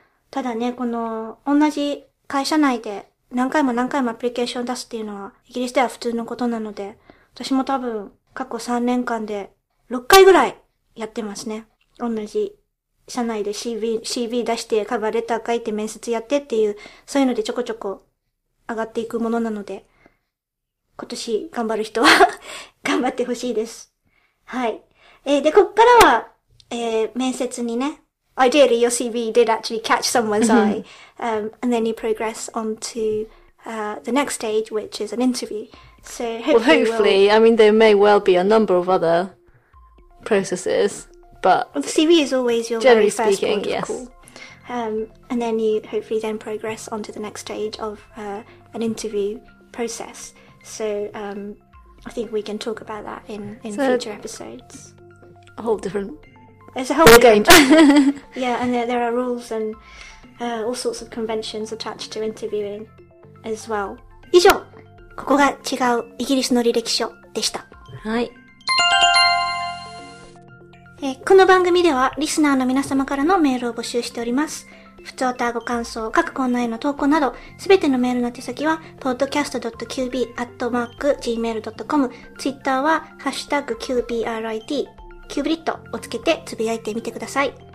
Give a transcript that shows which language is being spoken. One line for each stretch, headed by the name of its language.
Japanese: ただね、同じ会社内で何回も何回もアプリケーションを出すっていうのは、イギリスでは普通のことなので、私も多分、過去3年間で6回ぐらいやってますね。同じ。社内で CV 出して、カバーレター書いて、面接やってっていう、そういうのでちょこちょこ上がっていくものなので、今年頑張る人は頑張ってほしいです。はい。で、こっからは、面接にね、
English: Ideally your CV did actually catch someone's eye, and then you progress on to, the next stage, which is an interview. So hopefully, well, hopefully we'll... I mean, there may well be a number of other processes. But well, the CV is always your very first point of call. Yes. And then you hopefully then progress onto the next stage of an interview process. So I think we can talk about that in future episodes. A whole different. It's a whole game. Yeah, and there are rules and all sorts of conventions attached to interviewing as well.
Japanese: 以上、ここが違うイギリスの履歴書でした。はい。この番組ではリスナーの皆様からのメールを募集しております。普通歌ご感想、各コーナーへの投稿など、すべてのメールの手先は podcast.qb@gmail.com、Twitter はハッシュタグ qbrit、キューブリットをつけてつぶやいてみてください。